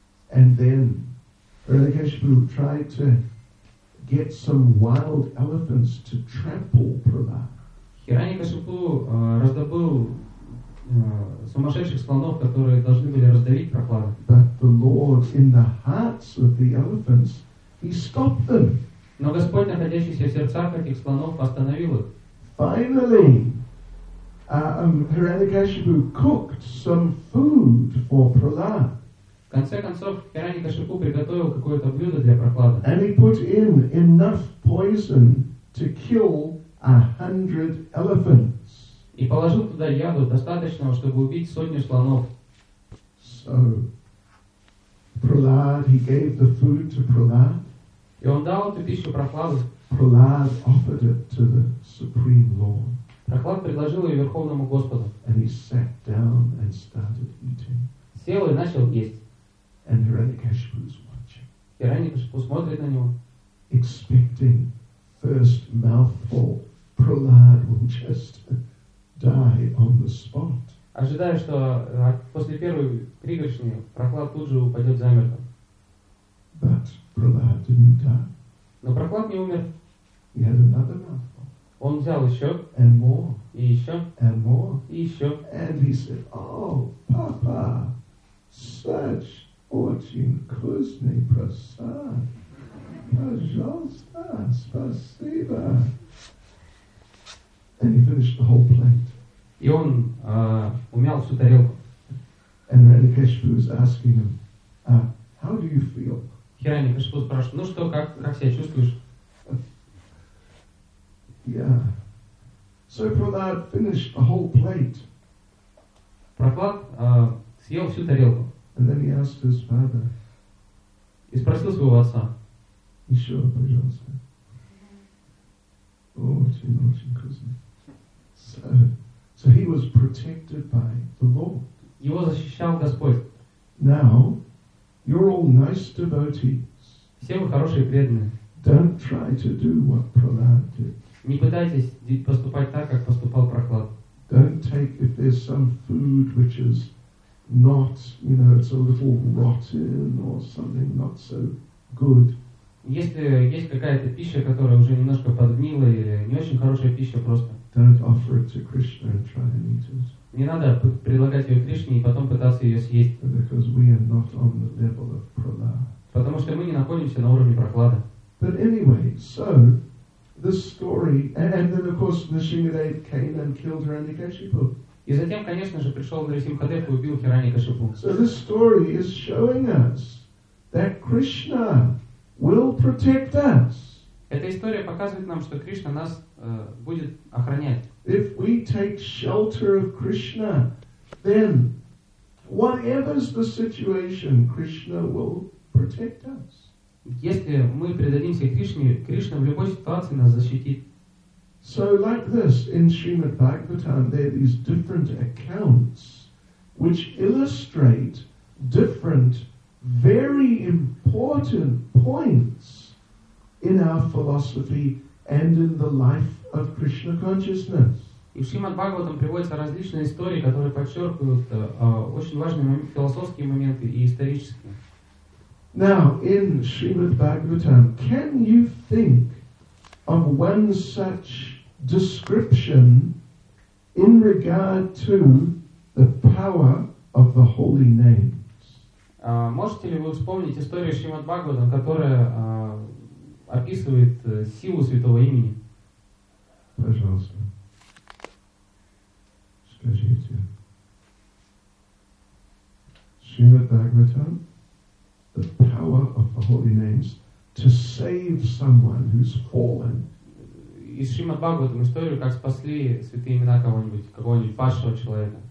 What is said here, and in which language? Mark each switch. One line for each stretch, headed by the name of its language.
English: And then Hiranyakashipu tried to get some wild elephants to trample Prahlad.
Russian: Хираньякашипу раздобыл сумасшедших слонов, которые должны были раздавить Прохлада.
English: But the Lord in the hearts of the elephants, he stopped them.
Russian: Но Господь, находящийся в сердцах этих слонов, остановил их.
English: Finally, Hiranyakashipu cooked some food for Prahlad.
Russian: В конце концов, Хиранья-кашипу приготовил какое-то блюдо для Прохлада.
English: And he put in enough poison to kill 100 elephants.
Russian: И положил туда яду, достаточного, чтобы убить сотню слонов.
English: So, Prahlad, he gave the food to Prahlad.
Russian: И он дал эту пищу Прохладу.
English: Prahlad offered it to the Supreme Lord.
Russian: Прохлад предложил ее Верховному Господу.
English: And he sat down and started eating.
Russian: Сел и начал есть.
English: And Hiranyakashipu is watching.
Russian: Хиранья-кашипу смотрит на него.
English: Expecting first mouthful, Prahlad will just die on the spot.
Russian: Ожидая, что после первой пригоршни Прохлад тут же упадет замертво.
English: But Prahlad didn't die.
Russian: Но Прохлад не умер.
English: He had another mouthful.
Russian: Он взял еще.
English: And more.
Russian: И еще.
English: And more.
Russian: И еще.
English: And he said, oh, Papa, such
Russian: очень вкусный просад. Пожалуйста, спасибо.
English: And he finished the whole plate.
Russian: И он умял всю тарелку.
English: And Hiranyakashipu was asking him, how do you feel?
Russian: Хиранья-кашипу спрашивает, ну что, как себя чувствуешь?
English: Yeah. So Prahlad finished the whole plate.
Russian: Прохлад съел всю тарелку.
English: And then he asked his father.
Russian: И спросил своего отца. Еще, пожалуйста. Очень, очень вкусно.
English: So he was protected by the Lord.
Russian: Его защищал Господь.
English: Now, you're all nice devotees.
Russian: Все вы хорошие преданные.
English: Don't try to do what Prahlad did.
Russian: Не пытайтесь поступать так, как поступал Прохлад.
English: Don't take if there's some food which is not, you know, it's a little rotten or something not so good.
Russian: Если есть какая-то пища, которая уже немножко подгнила или не очень хорошая пища просто.
English: Don't offer it to Krishna and try and eat it.
Russian: Не надо предлагать ее Кришне и потом пытаться ее съесть.
English: Because we are not on the level of Prahlad.
Russian: Потому что мы не находимся на уровне Прохлада.
English: But anyway, so this story, and then of course Nrisimhadev came and killed Hiranyakashipu.
Russian: И затем, конечно же, пришел Нарисимхадев и убил Хиранья-кашипу.
English: So this story is showing us that Krishna will protect us.
Russian: Эта история показывает нам, что Кришна нас будет охранять.
English: If we take shelter of Krishna, then whatever's the situation, Krishna will protect us.
Russian: Если мы предадимся Кришне, Кришна в любой ситуации нас защитит.
English: So like this, in Srimad Bhagavatam, there are these different accounts which illustrate different, very important points in our philosophy and in the life of Krishna consciousness.
Russian: И в Шримад Бхагаватам приводятся различные истории, которые подчеркивают очень важные философские моменты и исторические.
English: Now, in Srimad Bhagavatam, can you think of one such description in regard to the power of the holy names?
Russian: Можете ли вы вспомнить историю Шримад Бхагаватам, которая описывает силу святого имени? Пожалуйста.
English: Srimad Bhagavatam, the power of the holy names to save someone who's fallen.
Russian: Из Шримад Бхагаватам историю, как спасли святые имена какого-нибудь падшего человека.